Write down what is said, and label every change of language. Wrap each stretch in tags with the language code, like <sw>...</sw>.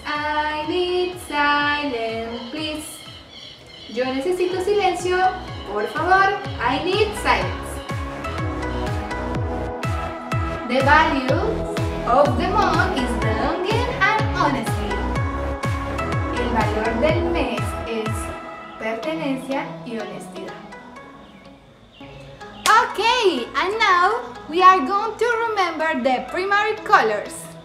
<en>I need silence. Please.</en> <es>Yo necesito silencio. Por favor,</es> <en>I need silence. The values of the month is belonging and honesty.</en> <es>El valor del mes es pertenencia y honestidad.</es> <en>Okay, and now we are going to remember the primary colors.</en>